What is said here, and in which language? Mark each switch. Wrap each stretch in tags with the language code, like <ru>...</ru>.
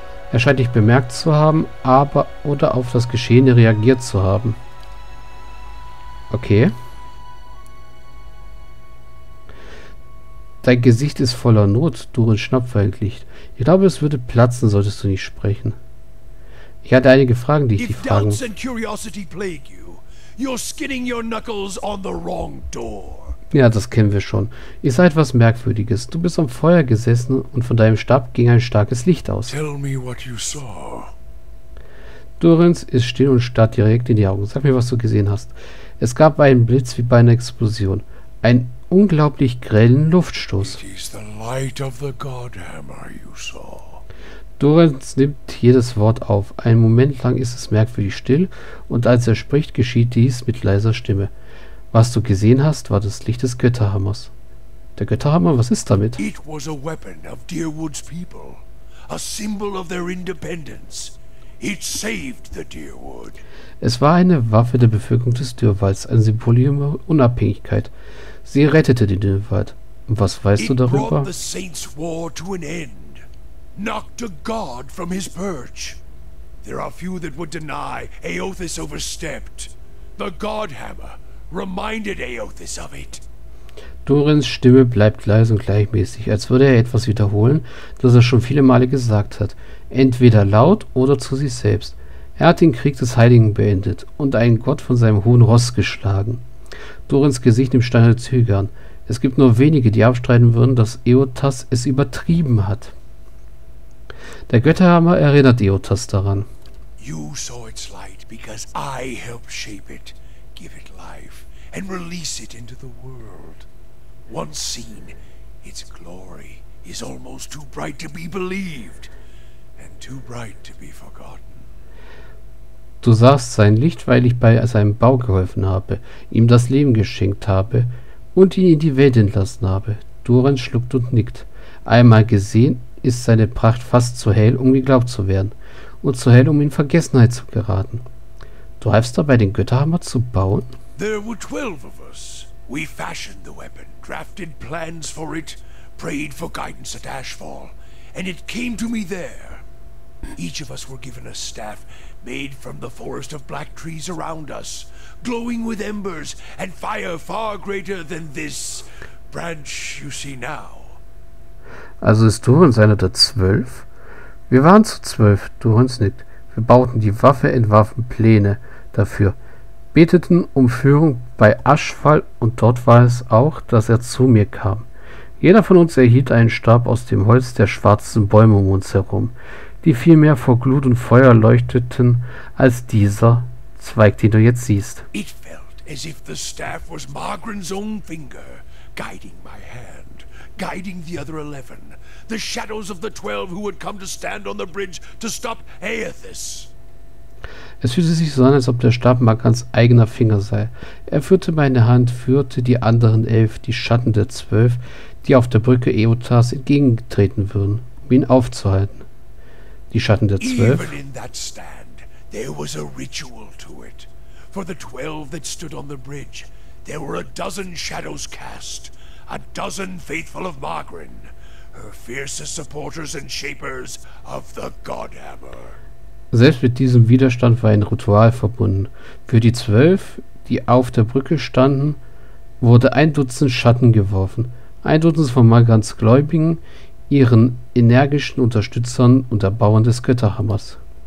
<de>Er scheint dich bemerkt zu haben, aber oder auf das Geschehene reagiert zu haben. Okay. Dein Gesicht ist voller Not, Dorenz schnappt verängstigt. Ich glaube, es würde platzen, solltest du nicht sprechen. Ich hatte einige Fragen, die ich dich fragen.</de> <en>Doubts and curiosity plague you, you're skinning your knuckles on the wrong door.</en> <de>Ja, das kennen wir schon. Ihr seid etwas Merkwürdiges. Du bist am Feuer gesessen und von deinem Stab ging ein starkes Licht aus.</de> <en>Tell me what you saw.</en> <de>Dorenz ist still und starrt direkt in die Augen. Sag mir, was du gesehen hast. Es gab einen Blitz wie bei einer Explosion. Ein unglaublich grellen Luftstoß.</de> <en>It is the light of the Godhammer you saw.</en> <de>Dorenz nimmt jedes Wort auf. Einen Moment lang ist es merkwürdig still und als er spricht, geschieht dies mit leiser Stimme. Was du gesehen hast, war das Licht des Götterhammers. Der Götterhammer, was ist damit?</de> <en>It was a weapon of Deerwood's people, a symbol of their independence. It saved the Deerwood.</en> <de>Es war eine Waffe der Bevölkerung des Dürrwalds, ein Symbol ihrer Unabhängigkeit. Sie rettete den Dürrwald. Und was weißt du darüber?</de> <en>It brought the Saints' war to an end, knocked a god from his perch. There are few that would deny Aeothis overstepped. The Godhammer reminded Aeothis of it.</en> <de>Dorenz Stimme bleibt leise und gleichmäßig, als würde er etwas wiederholen, das er schon viele Male gesagt hat, entweder laut oder zu sich selbst. Er hat den Krieg des Heiligen beendet und einen Gott von seinem hohen Ross geschlagen. Dorins Gesicht nimmt steinerne Züge an. Es gibt nur wenige, die abstreiten würden, dass Eotas es übertrieben hat. Der Götterhammer erinnert Eotas daran.</de> <en>You saw its light because I helped shape it, give it life and release it into the world. Once seen, its glory is almost too bright to be believed and too bright to be forgotten.</en> <de>Du sahst sein Licht, weil ich bei seinem Bau geholfen habe, ihm das Leben geschenkt habe und ihn in die Welt entlassen habe. Doran schluckt und nickt. Einmal gesehen, ist seine Pracht fast zu hell, um geglaubt zu werden, und zu hell, um in Vergessenheit zu geraten. Du hilfst dabei, den Götterhammer zu bauen?</de> <en>There were 12 of us. We fashioned the weapon, drafted plans for it, prayed for guidance at Ashfall, and it came to me there. Each of us were given a staff made from the forest of black trees around us, glowing with embers and fire far greater than this branch you see now.</en> <de>Also ist Durins einer der 12? Wir waren zu 12, Durins nickt. Wir bauten die Waffe, entwarfen Pläne dafür, beteten um Führung bei Aschfall und dort war es auch, dass er zu mir kam. Jeder von uns erhielt einen Stab aus dem Holz der schwarzen Bäume um uns herum, die viel mehr vor Glut und Feuer leuchteten als dieser Zweig, den du jetzt siehst.</de> <en>It felt as if the staff was Margrin's own finger, guiding my hand, guiding the other 11, the shadows of the 12 who had come to stand on the bridge to stop Aethys.</en> <de>Es fühlte sich so an, als ob der Stab mal ganz eigener Finger sei. Er führte meine Hand, führte die anderen 11, die Schatten der 12, die auf der Brücke Eotas entgegentreten würden, um ihn aufzuhalten. Die Schatten der 12.</de> <en>Even in that stand, there was a ritual to it. For the 12 that stood on the bridge, there were a dozen shadows cast, a dozen faithful of Margrin, her fiercest supporters and shapers of the Godhammer.</en> <de>Selbst mit diesem Widerstand war ein Ritual verbunden. Für die 12, die auf der Brücke standen, wurde ein Dutzend Schatten geworfen. Ein Dutzend von Margrins Gläubigen, ihren energischen Unterstützern und Erbauern des Götterhammers.</de>